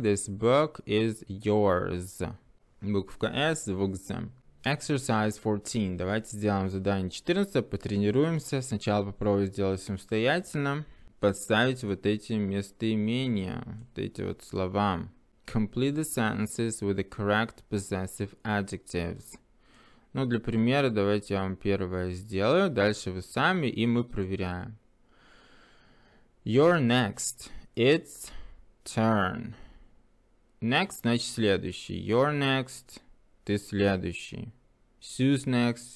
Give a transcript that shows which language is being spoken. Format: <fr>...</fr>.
<en>This book is yours.</en> <ru>Буковка s, звук z.</ru> <en>Exercise 14.</en> <ru>Давайте сделаем задание 14, потренируемся. Сначала попробую сделать самостоятельно. Подставить вот эти местоимения, вот эти вот слова.</ru> <en>Complete the sentences with the correct possessive adjectives.</en> <ru>Ну, для примера, давайте я вам первое сделаю, дальше вы сами, и мы проверяем.</ru> <en>You're next. It's turn. Next,</en> <ru>значит, следующий.</ru> <en>You're next.</en> <ru>Ты следующий.</ru> <en>Sue's next.</en>